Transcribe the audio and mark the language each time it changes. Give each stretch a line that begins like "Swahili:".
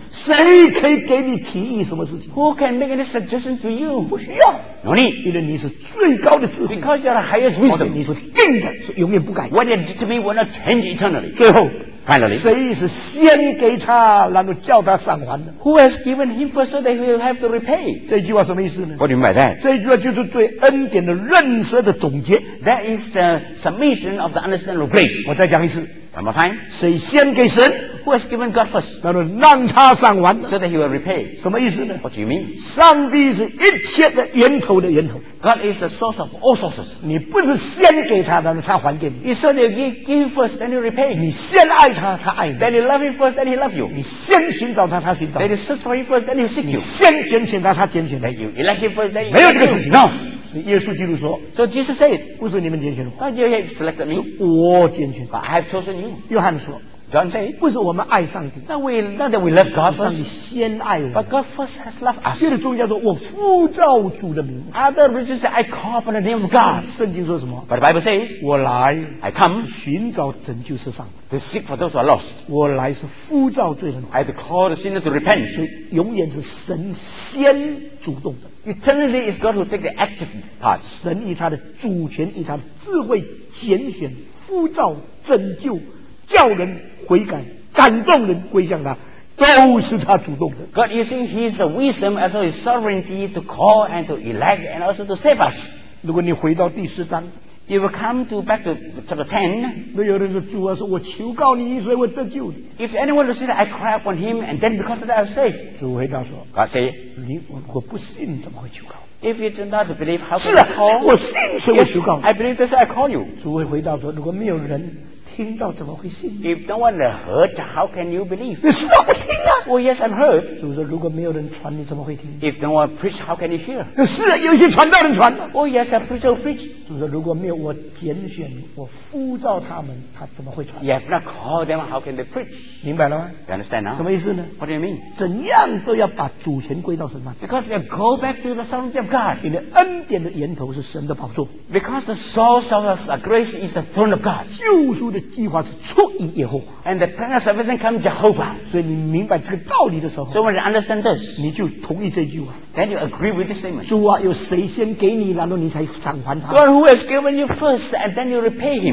Chinese: 谁可以给你提议什么事情
English: ？Who can make any suggestion to you?
Chinese: 不需要。
English: No need.
Chinese: 因为你是最高的智慧。
English: Because you're the highest wisdom.
Chinese: 你是定的，是永远不改。
English: What you determine will not change eternally.
Chinese: 最后
English: ，finally，
Chinese: 谁是先给他，然后叫他偿还的
English: ？Who has given him first so that he will have to repay?
Chinese: 这句话什么意思呢
English: ？What do you mean by that?
Chinese: 这句话就是对恩典的认识的总结。
English: That is the summation of the understanding of grace.
Chinese: 我再讲一次。
English: One more time.
Chinese: 谁先给神
English: ？Who has given God first?
Chinese: 那么让他上完
English: ，so that he will repay.
Chinese: 什么意思呢
English: ？What do you mean?
Chinese: 上帝是一切的源头的源头。
English: God is the source of all sources.
Chinese: 你不是先给他，然后他还给你。
English: He said you give first, then you repay.
Chinese: 你先爱他，他爱你。
English: Then you love him first, then he love you.
Chinese: 你先寻找他，他寻找。
English: Then you search for him first, then he seek you.
Chinese: 你先拣选他，他拣选。
English: Then you elect him first, then you.
Chinese: 没有这个事情。
English: No.
Chinese: 耶稣基督说
English: ，So Jesus said，
Chinese: 不是你们拣选的
English: ，But you have selected me，
Chinese: 是我拣选
English: ，But I have chosen you。
Chinese: 约翰说
English: ，John said，
Chinese: 不是我们爱上帝
English: ，Not that we love God first，
Chinese: 上帝先爱我
English: ，But God first has loved us。
Chinese: 接着中间说，我呼召主的名
English: ，Other religions say I call upon the name of God。
Chinese: 圣经说什么
English: ？But the Bible says，
Chinese: 我来
English: ，I come，
Chinese: 寻找拯救世上
English: ，To seek for those who are lost。
Chinese: 我来是呼召罪人
English: ，I call the sinner to repent。
Chinese: 所以永远是神先主动的。
English: Eternally is God who take the active part.
Chinese: 神以他的主权，以他的智慧拣选、呼召、拯救、叫人悔改、感动人归向他，都是他主动的。
English: God, you see, He is the wisdom as well as sovereignty to call and to elect and also to save us.
Chinese: 如果你回到第十章。
English: You will come to back to chapter 10.
Chinese: 那有人说主啊，说我求告你，所以我得救你。
English: If anyone will say that I cry upon him, and then because of that I'm safe.
Chinese: 主回答说
English: ，God say，
Chinese: 你我如果不信，怎么会求告
English: ？If you do not believe, how can I call？
Chinese: 是啊，我信，所以我求告。
English: Yes, I believe, that's why I call you.
Chinese: 主会回答说，如果没有人听到，怎么会信
English: ？If no one heard, how can you believe？
Chinese: 你是不信啊
English: ？Oh yes, I'm heard.
Chinese: 主说，如果没有人传，你怎么会听
English: ？If no one preach, how can you hear？
Chinese: 是啊，有些传道人传。
English: Oh yes, I preach, I preach。
Chinese: 主说，如果没有我拣选，我呼召他们，他怎么会传
English: ？If not called them, how can they preach？
Chinese: 明白了吗
English: ？You understand now？
Chinese: 什么意思呢
English: ？What do you mean？
Chinese: 怎样都要把主权归到神那
English: ？Because you go back to the sovereignty of God。
Chinese: 你的恩典的源头是神的宝座。
English: Because the source of us, grace is the throne of God。
Chinese: 救赎的计划是出于耶和华。
English: And the plan of salvation comes Jehovah。
Chinese: 所以你明白这个道理的时候
English: ，So when you understand this，
Chinese: 你就同意这句话。
English: Then you agree with this statement。
Chinese: 主啊，有谁先给你，然后你才偿还他？
English: God who has given you first and then you repay him？